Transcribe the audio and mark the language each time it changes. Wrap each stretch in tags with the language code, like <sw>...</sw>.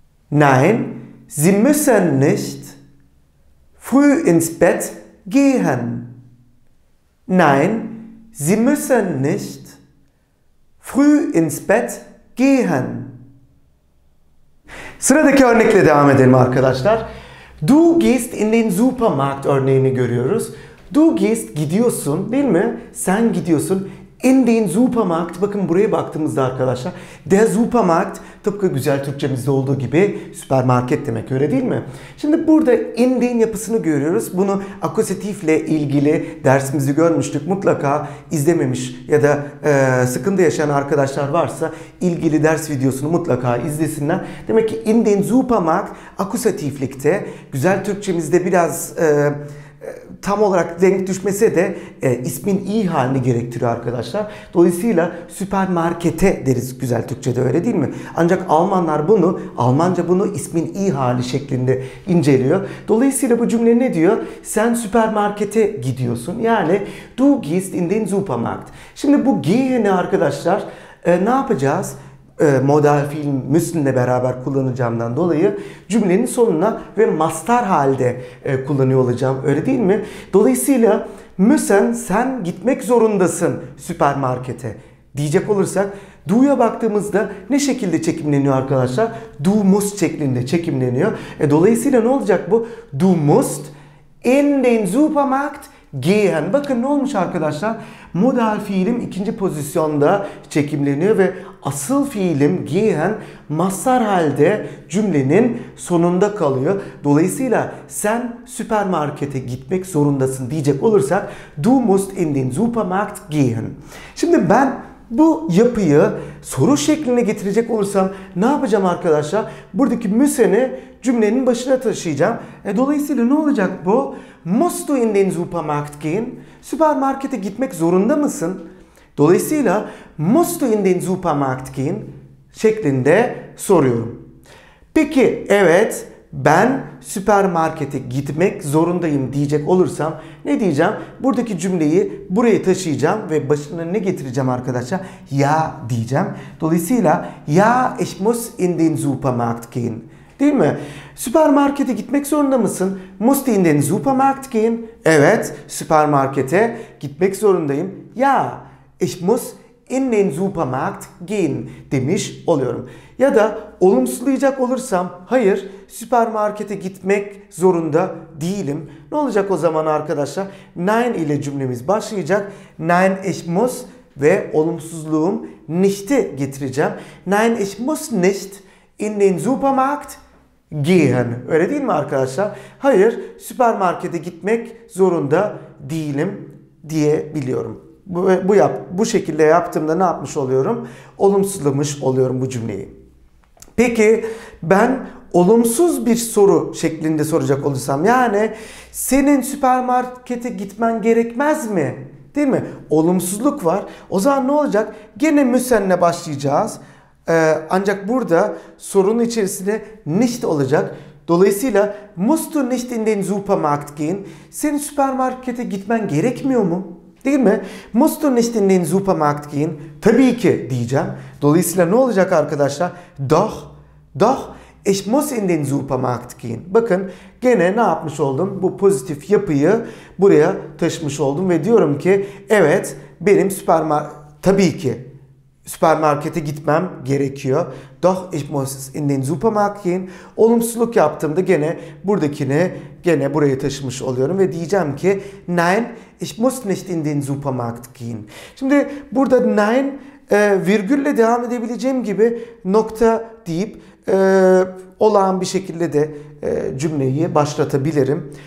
<de>Nein, sie müssen nicht früh ins Bett gehen. Nein, sie müssen nicht früh ins Bett gehen.</de> <tr>Sıradaki örnekle devam edelim arkadaşlar.</tr> <de>Du gehst in den Supermarkt</de> <tr>örneğini görüyoruz.</tr> <de>Du gehst,</de> <tr>gidiyorsun değil mi? Sen gidiyorsun.</tr> <de>In den Supermarkt,</de> <tr>bakın buraya baktığımızda arkadaşlar. Der Supermarkt, tıpkı güzel Türkçemizde olduğu gibi süpermarket demek, öyle değil mi? Şimdi burada in den yapısını görüyoruz. Bunu akusatifle ilgili dersimizi görmüştük. Mutlaka izlememiş ya da sıkıntı yaşayan arkadaşlar varsa ilgili ders videosunu mutlaka izlesinler. Demek ki</tr> <de>in den Supermarkt</de> <tr>akusatiflikte, güzel Türkçemizde biraz tam olarak denk düşmese de ismin i halini gerektiriyor arkadaşlar. Dolayısıyla süpermarkete deriz güzel Türkçe'de, öyle değil mi? Ancak Almanlar bunu, Almanca bunu ismin i hali şeklinde inceliyor. Dolayısıyla bu cümle ne diyor? Sen süpermarkete gidiyorsun. Yani</tr> <de>du gehst in den Supermarkt.</de> <tr>Şimdi bu gehen arkadaşlar ne yapacağız? Modal fiil müssen'le beraber kullanacağımdan dolayı cümlenin sonuna ve mastar halde kullanıyor olacağım, öyle değil mi? Dolayısıyla müssen, sen gitmek zorundasın süpermarkete diyecek olursak, du'ya baktığımızda ne şekilde çekimleniyor arkadaşlar? Du musst şeklinde çekimleniyor. Dolayısıyla ne olacak bu?</tr> <de>Du musst in den Supermarkt gehen.</de> <tr>Bakın ne olmuş arkadaşlar? Modal fiilim ikinci pozisyonda çekimleniyor ve asıl fiilim gehen mastar halde cümlenin sonunda kalıyor. Dolayısıyla sen süpermarkete gitmek zorundasın diyecek olursak</tr> <de>du musst in den Supermarkt gehen.</de> <tr>Şimdi ben bu yapıyı soru şeklinde getirecek olursam ne yapacağım arkadaşlar? Buradaki müsene cümlenin başına taşıyacağım. Dolayısıyla ne olacak bu?</tr> <de>Musst du in den Supermarkt gehen?</de> <tr>Süpermarkete gitmek zorunda mısın? Dolayısıyla</tr> <de>musst du in den Supermarkt gehen?</de> <tr>Şeklinde soruyorum. Peki evet ben süpermarkete gitmek zorundayım diyecek olursam ne diyeceğim? Buradaki cümleyi buraya taşıyacağım ve başına ne getireceğim arkadaşlar? Ja diyeceğim. Dolayısıyla</tr> <de>ja ich muss in den Supermarkt gehen.</de> <tr>Değil mi? Süpermarkete gitmek zorunda mısın?</tr> <de>Musst in den Supermarkt gehen.</de> <tr>Evet süpermarkete gitmek zorundayım.</tr> <de>Ja ich muss in den Supermarkt gehen</de> <tr>demiş oluyorum. Ya da olumsuzlayacak olursam hayır süpermarkete gitmek zorunda değilim. Ne olacak o zaman arkadaşlar? Nein ile cümlemiz başlayacak.</tr> <de>Nein ich muss</de> <tr>ve olumsuzluğum nicht'i getireceğim.</tr> <de>Nein ich muss nicht in den Supermarkt gehen.</de> <tr>Öyle değil mi arkadaşlar? Hayır süpermarkete gitmek zorunda değilim diyebiliyorum. Bu şekilde yaptığımda ne yapmış oluyorum? Olumsuzlamış oluyorum bu cümleyi. Peki ben olumsuz bir soru şeklinde soracak olursam yani senin süpermarkete gitmen gerekmez mi? Değil mi? Olumsuzluk var. O zaman ne olacak? Gene müsenle başlayacağız. Ancak burada sorunun içerisinde nicht olacak. Dolayısıyla</tr> <de>musst du nicht in den Supermarkt gehen?</de> <tr>Senin süpermarkete gitmen gerekmiyor mu? Değil mi?</tr> <de>Musst du nicht in den Supermarkt gehen?</de> <tr>Tabii ki diyeceğim. Dolayısıyla ne olacak arkadaşlar?</tr> <de>Doch, doch, ich muss in den Supermarkt gehen.</de> <tr>Bakın gene ne yapmış oldum? Bu pozitif yapıyı buraya taşımış oldum ve diyorum ki evet benim tabii ki süpermarkete gitmem gerekiyor.</tr> <de>Doch, ich muss in den Supermarkt gehen.</de> <tr>Olumsuzluk yaptığımda gene buradakini gene buraya taşımış oluyorum ve diyeceğim ki</tr> <de>nein, ich muss nicht in den Supermarkt gehen.</de> <tr>Şimdi burada nein virgülle devam edebileceğim gibi nokta deyip olağan bir şekilde de cümleyi başlatabilirim.</tr>